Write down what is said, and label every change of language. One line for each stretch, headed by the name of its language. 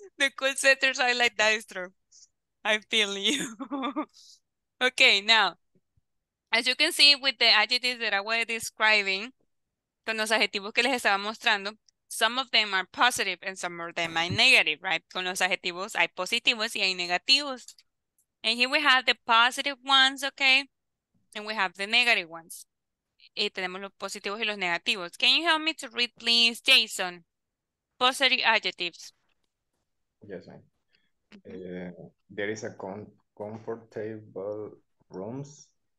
English: The call centers are like that, it's true. I feel you. Okay, now, as you can see with the adjectives that I was describing,
Spanish: con los adjetivos que les estaba mostrando,
English: some of them are positive and some of them are negative, right?
Spanish: Con los adjetivos hay positivos y hay negativos.
English: And here we have the positive ones, okay? And we have the negative ones.
Spanish: Y tenemos los positivos y los negativos.
English: Can you help me to read, please, Jason? Positive adjectives. Yes, ma'am. There is a comfortable rooms.